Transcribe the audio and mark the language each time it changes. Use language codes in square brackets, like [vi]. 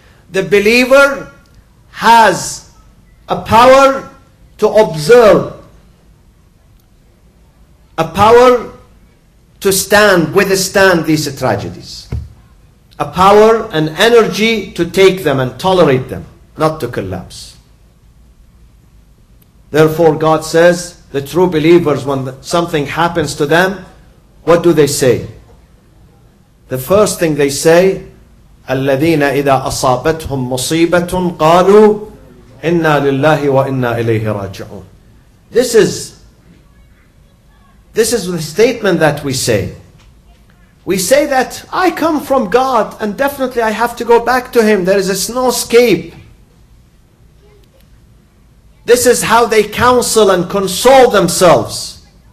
[en] The believer has a power to observe, a power to stand, withstand these tragedies. A power and energy to take them and tolerate them, not to collapse. Therefore, God says, the true believers, when something happens to them, what do they say? The first thing they say, [ar] الَّذِينَ إِذَا أَصَابَتْهُمْ مُصِيبَةٌ قَالُوا إِنَّا لِلَّهِ وَإِنَّا إِلَيْهِ رَاجِعُونَ. [en] This is the statement that we say. We say that I come from God and definitely I have to go back to Him. There is no escape. This is how they counsel and console themselves.